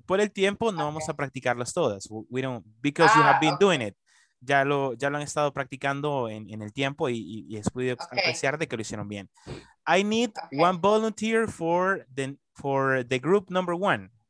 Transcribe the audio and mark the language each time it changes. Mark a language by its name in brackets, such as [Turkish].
[Spanish] Por el tiempo no vamos a practicarlas todas. [English] We don't, because you have been doing it. [Spanish] Ya lo han estado practicando en el tiempo y es podido apreciar de que lo hicieron bien. [English] I need one volunteer for the group number one.